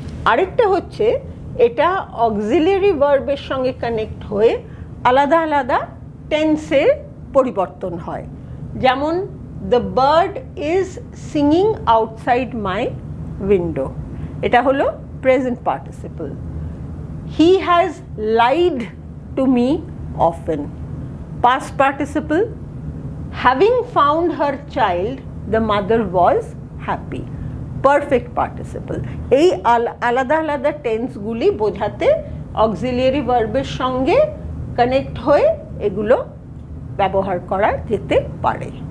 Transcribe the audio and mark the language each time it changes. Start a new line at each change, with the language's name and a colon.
Bangla: আরেকটা হচ্ছে এটা অক্সিলিয়ারি ভার্বের সঙ্গে কানেক্ট হয়ে আলাদা আলাদা টেন্সের পরিবর্তন হয়।
English: যেমন the bird is singing outside my window,
Bangla: এটা হলো
English: Present participle. He has lied to me often, past participle. Having found her child, the mother was happy. Perfect participle.
Bangla: এই আলাদা আলাদা টেন্সগুলি বোঝাতে অক্সিলিয়ারি ভার্বের সঙ্গে কানেক্ট হয়ে এগুলো ব্যবহার করা যেতে পারে।